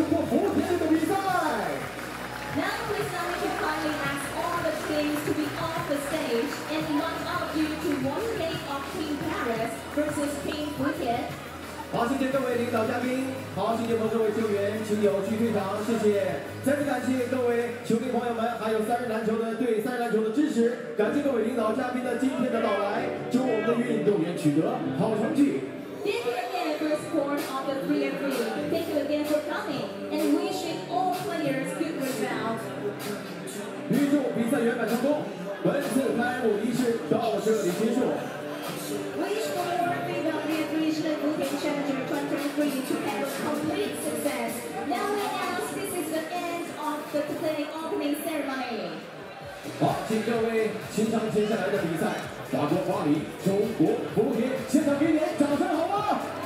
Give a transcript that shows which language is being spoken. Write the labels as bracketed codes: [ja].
[en] Now please allow me to kindly ask all the teams to be off the stage and invite all of you to watch the game of Team Paris versus Team [zh] Futian。好，谢谢各位领导嘉宾，好，谢谢所有各位球员，请有序退场，谢谢。再次感谢各位球迷朋友们，还有三人篮球的对三人篮球的支持，感谢各位领导嘉宾的今天的到来，祝我们的运动员取得好成绩。 [en] Thank you again for support of the 3x3. Thank you again for coming. And wishing all players good results. [zh] 预祝比赛圆满成功。本次开幕仪式到这里结束。 [en] Wish for more FIBA 3x3 Shenzhen Futian Challenger 2023 to have a complete success. Now we ask, this is the end of the play opening ceremony. [zh] 好，请各位欣赏接下来的比赛。法国巴黎，中国福田，现场给点掌声好吗？